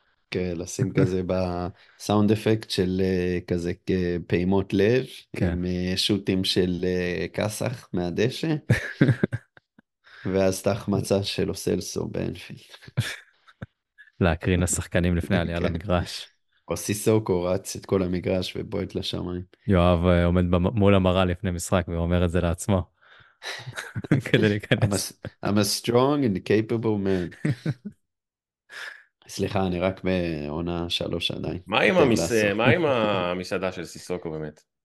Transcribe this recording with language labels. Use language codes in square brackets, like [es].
[he] כן, לשים כזה בסאונד אפקט של כזה פעימות לב, עם שוטים של קסח מהדשא, ואז תחמצה של אוסלסו באנפילד. להקרין השחקנים לפני עלייה למגרש. עושה סוקו, רץ את כל המגרש ובועט לשמיים. יואב עומד מול המראה לפני משחק ואומר את זה לעצמו. כדי להיכנס. [en] I'm a strong and capable man. [he] סליחה, אני רק בעונה שלוש עדיין. מה עם המסעדה של סיסוקו באמת?